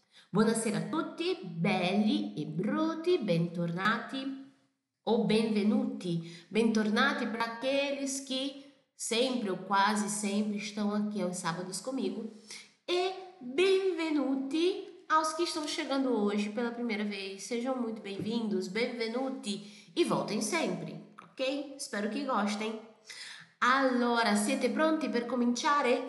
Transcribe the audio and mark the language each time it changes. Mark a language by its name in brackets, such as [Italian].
[Italian] Buonasera a tutti, belli e brutti, bentornati o benvenuti. Bentornati per quelli che sempre o quasi sempre stanno qui ai sabato [Portuguese] comigo. [Italian] E benvenuti [Portuguese] aos [Italian] che stanno [Portuguese] chegando [Italian] oggi per la prima volta. [Portuguese] Sejam muito bem-vindos, [Italian] benvenuti [Portuguese] e voltem sempre. [Italian] Ok? Spero che [Portuguese] gostem. [Italian] Allora, siete pronti per cominciare?